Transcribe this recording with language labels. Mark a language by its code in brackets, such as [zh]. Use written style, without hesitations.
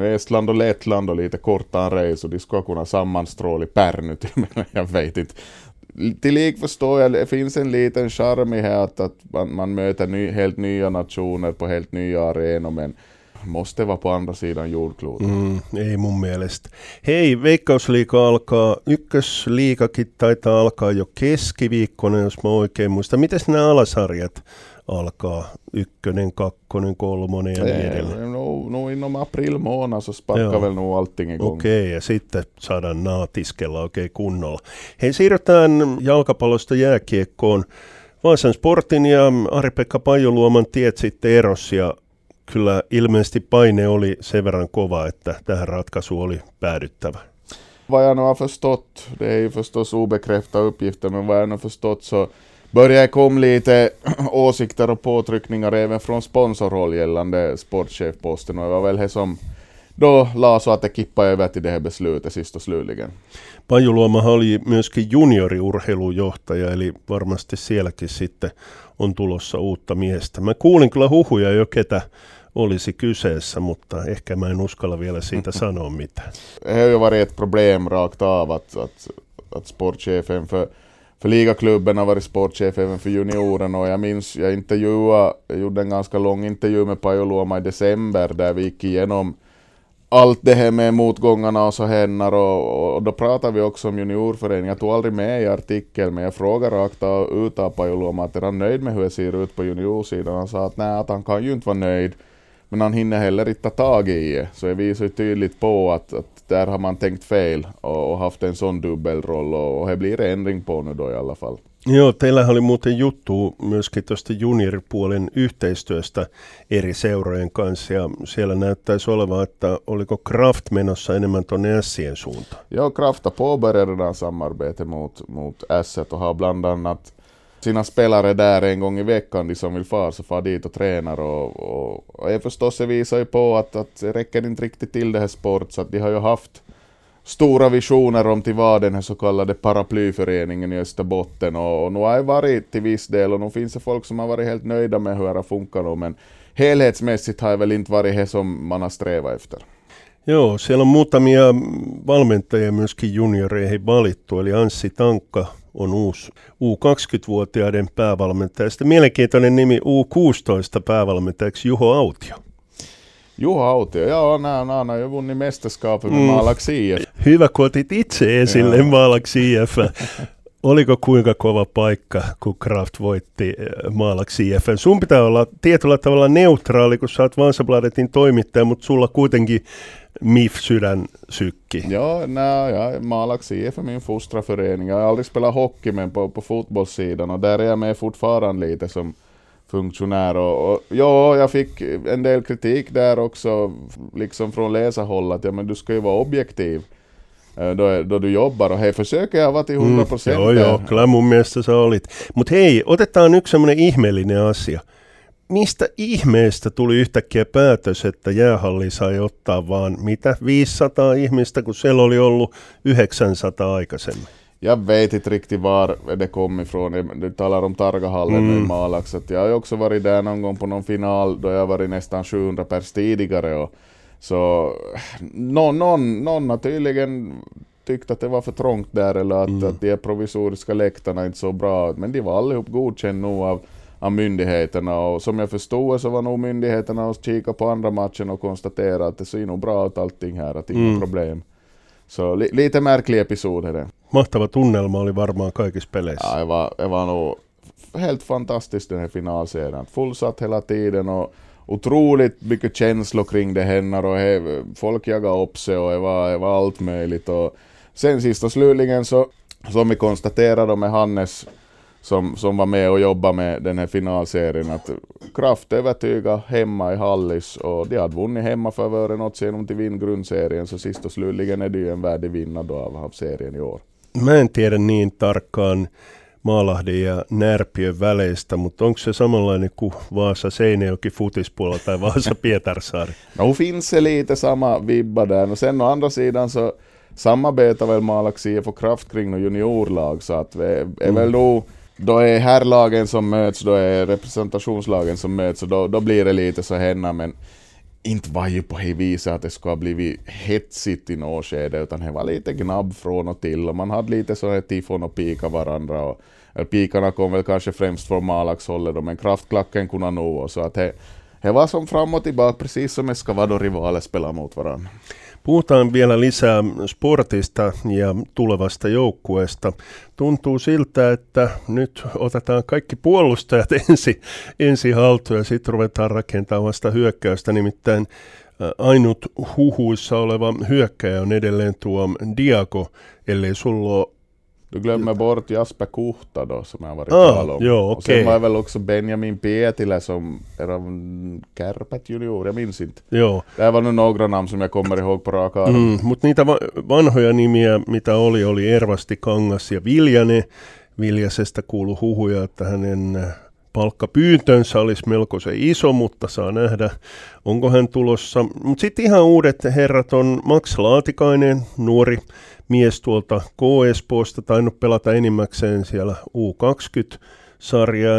[sv] Nu Estland och Lettland och lite kortare rejs och de ska kunna sammanstråla i Pärnu till mig, jag vet inte. Till lik förstår jag, det finns en liten charm i här att man möter helt nya nationer på helt nya arenor, men måste vara på andra sidan jordklotet. [fi] Ei mun mielestä. Hei, Veikkausliiga alkaa, ykkösliigakin taitaa alkaa jo keskiviikkona, jos mä oikein muistan. Mites nämä alasarjat alkaa, ykkönen, kakkonen, kolmonen ja niin edelleen? [sv] No innom april månad så sparkar väl nog allting igång. [fi] Okei, ja sitten saadaan naatiskella oikein kunnolla. Hei, siirrytään jalkapallosta jääkiekkoon. Vaasan Sportin ja Ari-Pekka Pajuluoman tiet sitten eros, ja kyllä ilmeisesti paine oli sen verran kova, että tähän ratkaisu oli päädyttävä. [sv] Vad jag nu har förstått, det är ju förstås obekräftad uppgifter, men vad jag nu har förstått så börjar komma lite åsikter och påtryckningar även från sponsorhåll gällande sportchefposten. Och det var väl det som då la så att det kippade över till det här beslutet sist och slutligen. [fi] Pajuluomahan oli myöskin junioriurheilujohtaja, eli varmasti sielläkin sitten on tulossa uutta miestä. Mä kuulin kyllä huhuja jo, ketä olisi kyseessä, mutta ehkä mä en uskalla vielä siitä sanoa mitään. [sv] Det har ju varit ett problem rakt av att sportchefen för ligaklubben har varit sportchef även för juniorerna. Och jag minns, jag gjorde en ganska lång intervju med Pajuluoma i december där vi gick igenom allt det här med motgångarna och så händer. Och då pratar vi också om juniorföreningen. Jag tog aldrig med i artikeln, men jag frågar rakt ut av Pajuluoma att är han nöjd med hur det ser ut på juniorsidan. Han sa att nej, att han kan ju inte vara nöjd. Men han hinner heller inte ta tag i det. Så det visar ju tydligt på att där har man tänkt fel och haft en sån dubbelroll. Och det blir ändring på nu då i alla fall. [fi] Joo, teillähän oli muuten juttu myöskin tuosta junioripuolen yhteistyöstä eri seurojen kanssa, ja siellä näyttäisi olevan, että oliko Kraft menossa enemmän tuonne Ässien suuntaan. [sv] Joo, Kraft har påbörjat samarbete mot Ässet och har bland annat sina spelare där en gång i veckan, de som vill far dit och tränar. Och förstås det visar ju på att det räcker inte riktigt till det här sport, så att de har ju haft stora visioner om till vad den här så kallade paraplyföreningen i Österbotten. Och nu har det varit till viss del och nu finns det folk som har varit helt nöjda med hur det har funkat. Men helhetsmässigt har det väl inte varit det som man har strävat efter. [fi] Joo, siellä on muutamia valmentajia myöskin junioreihin valittu. Eli Anssi Tankka on uusi U20-vuotiaiden päävalmentaja. Sitten mielenkiintoinen nimi U16 päävalmentajaksi Juho Autio. Juha Autio, joo, nämä on jo vunni mestaskaapin Maalaksi IF. Hyvä, kun otit itse esille Maalaksi IF. Oliko kuinka kova paikka, kun Kraft voitti Maalaksi IF? Sun pitää olla tietyllä tavalla neutraali, kun sä oot Vansabladetin toimittaja, mutta sulla kuitenkin MIF-sydän sykki. Joo, Maalaksi IF on minun [sv] fustraförening. Jag har aldrig spelat hockey, men på fotbollssidan. Och där är jag med fortfarande lite som funktionär och ja, jag fick en del kritik där också liksom från läsarhållet, ja men du ska ju vara objektiv då du jobbar och hej, försöker jag vara till 100%. [fi] Joo, kyllä mun mielestä sä olit. Mut hei, otetaan yksi semmoinen ihmeellinen asia. Mistä ihmeestä tuli yhtäkkiä päätös, että jäähalli sai ottaa vaan mitä 500 ihmistä, kun siellä oli ollut 900 aikaisemmin? [sv] Jag vet inte riktigt var det kom ifrån. Du talar om Targahallen i Malax. Att jag har också varit där någon gång på någon final då jag varit nästan 700 pers tidigare. Och så någon har tydligen tyckte att det var för trångt där eller att, att de provisoriska läktarna inte så bra. Men de var allihop godkända av myndigheterna. Och som jag förstod så var nog myndigheterna och kika på andra matchen och konstatera att det ser nog bra ut allting här, att det är inga problem. Så lite märklig episod här. [fi] Mahtava tunnelma oli varmaan kaikissa peleissä. Aivan, [sv] det var nog helt fantastiskt den här finalserien. Fullsatt hela tiden och otroligt mycket känslor kring det händer och folk jagar upp sig och det var allt möjligt. Och sen sist och slutligen så, som vi konstaterade med Hannes som var med och jobbade med den här finalserien, att Kraft övertygade hemma i Hallis och de hade vunnit hemma för våren åt sig genom till vinngrundserien, så sist och slutligen är det ju en värdig vinnare av serien i år. [fi] Mä en tiedä niin tarkkaan Maalahden ja Närpiön väleistä, mutta onko se samanlainen kuin Vaasa-Seinäjoki futispuolella tai Vaasa-Pietarsaari? [sv] No finns det lite sama vibba där. No sen å andra sidan så samarbetar väl Maalaks IF och Kraft kring no juniorlag, så att vi är väl då är herrlagen som möts, då är representationslagen som möts, och då blir det lite så henna, men inte var ju på det viset att det skulle ha blivit hetsigt i något skede, utan det var lite gnabb från och till och man hade lite sådana här tifon och pika varandra, och pikarna kom väl kanske främst från Malax-hållet, men kraftklacken kunde nå, och så att det var som fram och tillbaka, precis som det ska vara då rivaler spelar mot varandra. [fi] Puhutaan vielä lisää sportista ja tulevasta joukkueesta. Tuntuu siltä, että nyt otetaan kaikki puolustajat ensi haltuun ja sitten ruvetaan rakentamaan vasta hyökkäystä. Nimittäin ainut huhuissa oleva hyökkäjä on edelleen tuo Diago, ellei sulla ole... [sv] Du glömmer bort Jasper Kuhta då, som jag har varit tal om. Joo, okay. Och sen var väl också Benjamin Pietilä som är av Kärpät junior, jag minns inte. Joo. Det var nu några namn som jag kommer ihåg på raka arm. [fi] Mutta niitä vanhoja nimiä, mitä oli Ervasti Kangas ja Viljane. Viljasesta kuului huhuja, että hänen palkkapyyntönsä olisi melko se iso, mutta saa nähdä, onko hän tulossa. Mutta sitten ihan uudet herrat on Max Laatikainen, nuori mies tuolta KSP:sta, tainnut pelata enimmäkseen siellä U20-sarjaa.